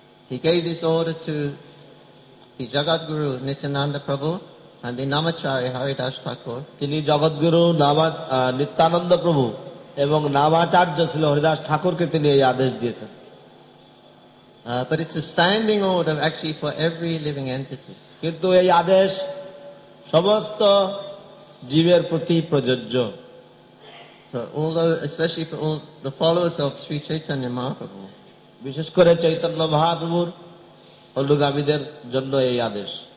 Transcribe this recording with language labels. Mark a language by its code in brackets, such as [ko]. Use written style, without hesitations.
[en] হিকেই this over to the Jagadguru Nityananda Prabhu and the Namacharya Haridas Thakur. [bn] তিনি জগৎগুরু নিত্যানন্দ প্রভু এবং নামাচার্য ছিল হরিদাস ঠাকুরকে তিনি এই আদেশ দিয়েছেন। [en] But it's a standing order actually for every living entity. [bn] কিন্তু এই আদেশ সমস্ত জীবের প্রতি প্রযোজ্য। [en] So although especially for all the followers of Sri Chaitanya Mahaprabhu. [bn] বিশেষ করে চৈতন্য মহাপ্রভুর অনুগামীদের জন্য এই আদেশ।